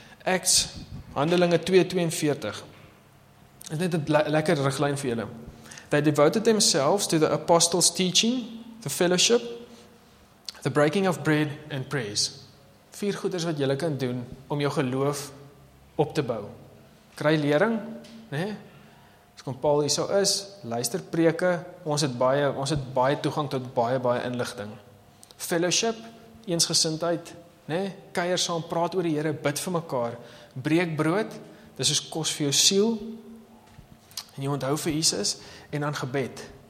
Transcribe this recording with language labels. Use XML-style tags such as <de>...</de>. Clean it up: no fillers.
<af>Acts, Handelinge 2:42. Dit is net 'n lekker riglyn vir julle.</af> <en>They devoted themselves to the apostles' teaching, the fellowship, the breaking of bread and prayers.</en> <af>Vier goeders wat julle kan doen om jou geloof op te bou. Kry lering, né? Kom Paul hier so is, luister preke, ons het baie toegang tot baie, baie inligting. Fellowship, eensgesindheid, nee, kuier saam, praat oor die Here, bid vir mekaar, breek brood, dis is kos vir jou siel, en jy onthou vir Jesus, en dan gebed.</af>